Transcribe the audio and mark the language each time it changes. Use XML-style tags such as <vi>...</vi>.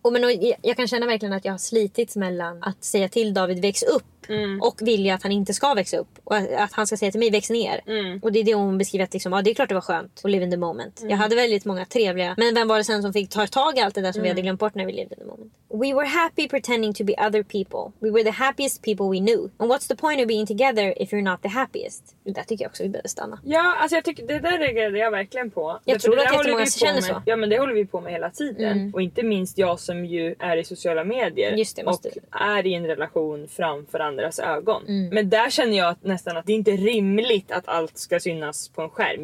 <sv>Och men och jag kan känna verkligen att jag har slitits mellan att säga till David väx upp. Mm. Och vilja att han inte ska växa upp. Och att han ska säga till mig, väx ner. Mm. Och det är det hon beskriver, att liksom, ah, det är klart det var skönt att</sv> <en>live in the moment.</en> <sv>Mm. Jag hade väldigt många trevliga. Men vem var det sen som fick ta tag i allt det där som vi hade glömt bort när vi</sv> <en>lived in the moment? We were happy pretending to be other people. We were the happiest people we knew. And what's the point of being together if you're not the happiest?</en> <sv>Det där tycker jag också vi behöver stanna. Ja, alltså jag tycker, det där reagerade jag verkligen på. Jag tror att jättemånga känner så. Ja, men det håller vi på med hela tiden. Mm. Och inte minst jag som ju är i sociala medier. Just det, måste och du. Är i en relation framför andra. Deras ögon. Mm. Men där känner jag att nästan att det inte är rimligt att allt ska synas på en skärm.</sv>